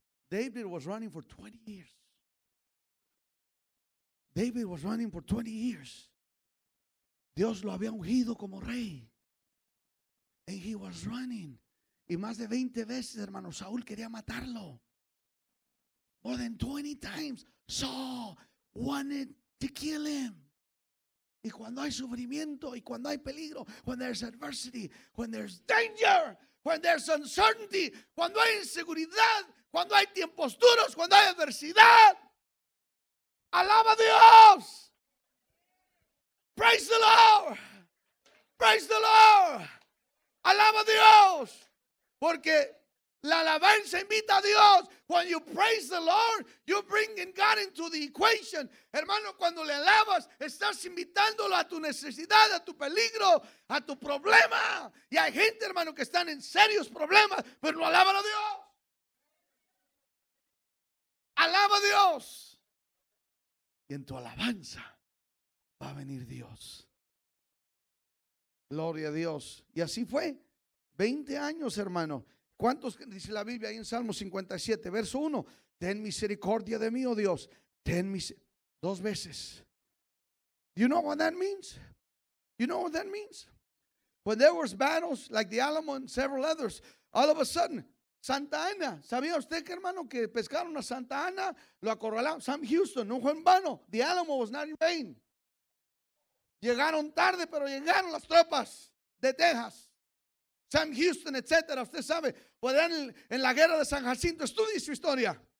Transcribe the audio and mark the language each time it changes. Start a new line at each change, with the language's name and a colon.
English: David was running for 20 years. David was running for 20 years.
Spanish: Dios lo había ungido como rey.
English: And he was running.
Spanish: Y más de 20 veces, hermano, Saúl quería matarlo.
English: More than 20 times, Saul wanted to kill him.
Spanish: Y cuando hay sufrimiento y cuando hay peligro,
English: when there's adversity, when there's danger, when there's uncertainty,
Spanish: cuando hay inseguridad, cuando hay tiempos duros, cuando hay adversidad, alaba a Dios.
English: Praise the Lord. Praise the Lord.
Spanish: Alaba a Dios. Porque la alabanza invita a Dios.
English: When you praise the Lord, you're bringing God into the equation.
Spanish: Hermano, cuando le alabas, estás invitándolo a tu necesidad, a tu peligro, a tu problema. Y hay gente, hermano, que están en serios problemas, pero no alaban a Dios. Alaba a Dios. Y en tu alabanza va a venir Dios. Gloria a Dios. Y así fue. 20 años, hermano. ¿Cuántos dice la Biblia ahí en Salmo 57, verso 1? Ten misericordia de mí, oh Dios. Ten misericordia. Dos veces.
English: Do you know what that means? Do you know what that means? When there was battles like the Alamo and several others, all of a sudden, Santa Ana.
Spanish: ¿Sabía usted que, hermano, que pescaron a Santa Ana? Lo acorralaron. Sam Houston, no fue en vano.
English: The Alamo was not in vain.
Spanish: Llegaron tarde, pero llegaron las tropas de Texas. Sam Houston, etcétera, usted sabe, podrán en la guerra de San Jacinto, estudie su historia.